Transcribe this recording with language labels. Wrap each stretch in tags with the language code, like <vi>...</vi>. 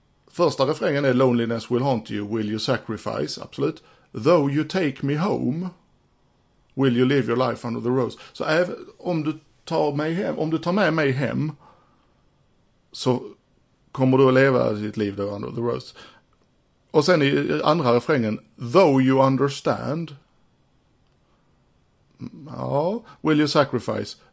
<sv>Första refrängen är</sv> <en>loneliness will haunt you, will you sacrifice?</en> <sv>Absolut.</sv> <en>Though you take me home, will you live your life under the rose?</en> <sv>Så även om du tar mig hem, om du tar med mig hem, så kommer du att leva ditt liv där under the rose. Och sen i andra refrängen,</sv> <en>though you understand,</en> <sv>ja,</sv> <en>will you sacrifice?</en>